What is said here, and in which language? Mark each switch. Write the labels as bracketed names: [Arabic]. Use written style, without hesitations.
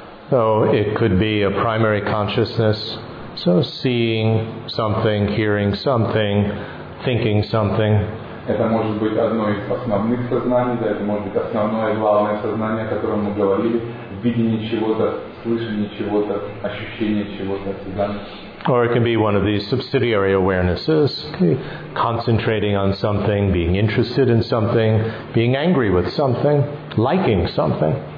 [English] So it could be a primary consciousness, so seeing something, hearing something, thinking something. [Russian] Это может быть одно из основных сознаний, да, это может быть основное главное сознание, о котором мы говорили, видение чего-то, слышание чего-то, ощущение чего-то, сознание. [English] Or it can be one of these subsidiary awarenesses, concentrating on something, being interested in something, being angry with something, liking something.